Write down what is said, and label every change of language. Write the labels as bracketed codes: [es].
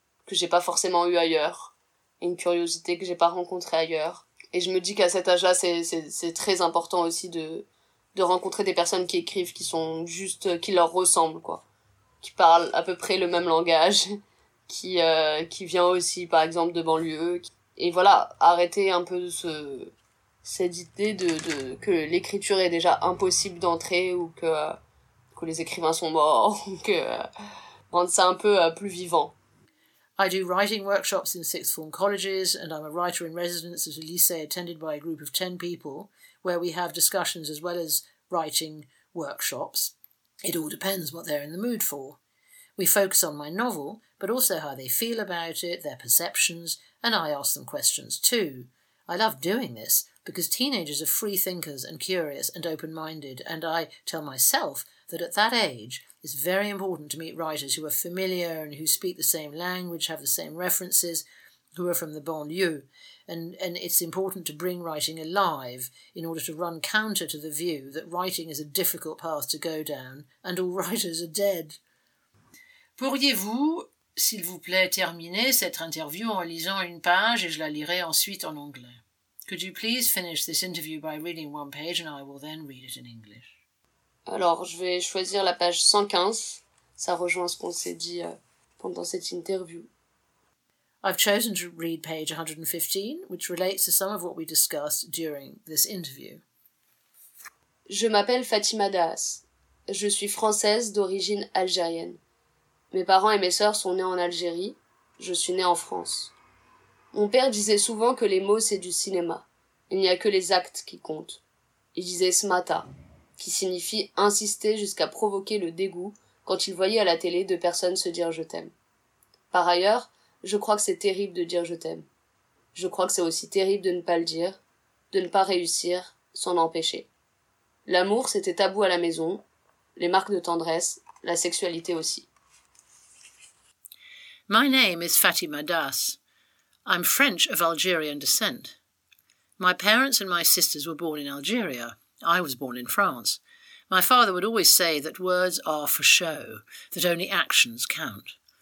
[fr] j'ai pas forcément eu ailleurs, une curiosité que j'ai pas rencontrée ailleurs, et je me dis qu'à cet âge-là c'est très important aussi de rencontrer des personnes qui écrivent qui sont juste qui leur ressemblent quoi, qui parlent à peu près le même langage, qui vient aussi par exemple de banlieue, et voilà, arrêter un peu cette idée de que l'écriture est déjà impossible d'entrer ou que les écrivains sont morts, que rendre ça un peu plus vivant. [en] I do writing workshops in sixth form colleges and I'm a writer in residence at a lycée attended by a group of 10 people where we have discussions as well as writing workshops. It all depends what they're in the mood for. We focus on my novel, but also how they feel about it, their perceptions, and I ask them questions too. I love doing this because teenagers are free thinkers and curious and open-minded, and I tell myself that at that age, it's very important to meet writers who are familiar and who speak the same language, have the same references, who are from the banlieue. And it's important to bring writing alive in order to run counter to the view that writing is a difficult path to go down and all writers are dead. [fr] Pourriez-vous, s'il vous plaît, terminer cette interview en lisant une page et je la lirai ensuite en anglais? [en] Could you please finish this interview by reading one page and I will then read it in English? [fr] Alors, je vais choisir la page 115. Ça rejoint ce qu'on s'est dit pendant cette interview. [en] I've chosen to read page 115, which relates to some of what we discussed during this interview. [fr] Je m'appelle Fatima Daas. Je suis française d'origine algérienne. Mes parents et mes sœurs sont nés en Algérie. Je suis née en France. Mon père disait souvent que les mots, c'est du cinéma. Il n'y a que les actes qui comptent. Il disait « smata », qui signifie « insister jusqu'à provoquer le dégoût » quand il voyait à la télé deux personnes se dire « je t'aime ». Par ailleurs, je crois que c'est terrible de dire « je t'aime ». Je crois que c'est aussi terrible de ne pas le dire, de ne pas réussir, s'en empêcher. L'amour, c'était tabou à la maison, les marques de tendresse, la sexualité aussi. [en] My name is Fatima Daas. I'm French of Algerian descent. My parents and my sisters were born in Algeria. I was born in France. My father would always say that words are for show, that only actions count.